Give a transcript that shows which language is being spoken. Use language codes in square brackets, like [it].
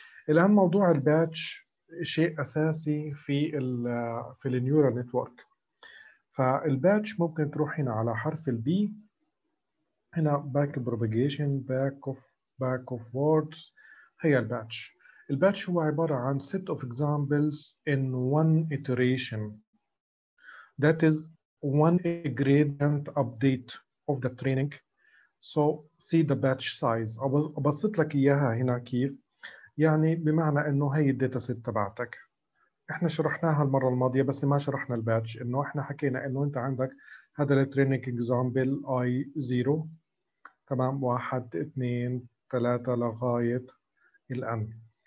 [ar] الان موضوع الباتش شيء اساسي في النيورال نتورك، فالباتش ممكن تروح هنا على حرف البي، هنا back propagation back of words، هي الباتش. الباتش هو عبارة عن [en] set of examples in one iteration that is one gradient update of the training. So see the batch size. [ar] أبسط لك إياها هنا كيف، يعني بمعنى إنه هي الداتا سيت تبعتك، إحنا شرحناها المرة الماضية بس ما شرحنا الباتش، إنه إحنا حكينا إنه أنت عندك هذا التريننج example I zero، تمام، 1 2 3 لغاية الآن.